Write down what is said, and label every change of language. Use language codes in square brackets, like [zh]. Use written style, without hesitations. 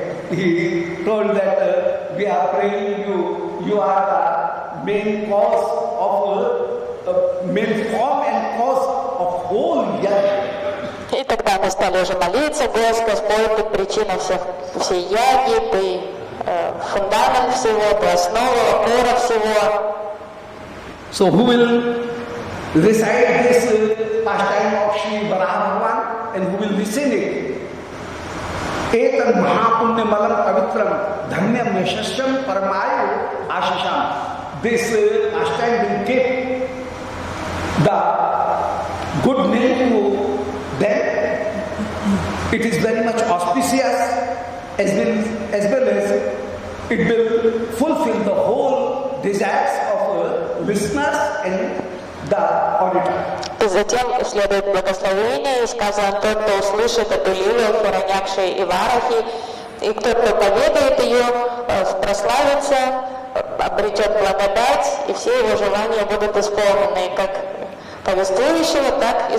[en] He told that we are praying you, you are the main cause of main form and cause of whole yajna. [ru] И тогда мы стали уже молиться, Господь, ты причина всех, всей яги, ты фундамент всего, ты основа, опора всего. [en] So who will recite this pastime of Shri Varahadevan and who will listen it? [sa] Etan Mahapunya Malam Pavitram Dhanya Meshasham Paramayu Ashasham. [en] This ashtayam will give the good name to them. It is very much auspicious as well as it will fulfill the whole desires of listeners and the auditor. [ru] Затем следует благословение, и сказано, тот, кто услышит эту лилию, хоронякшей Иварахи, и кто проповедует ее, прославится, обретет благодать, и все его желания будут исполнены, как повествующего, так и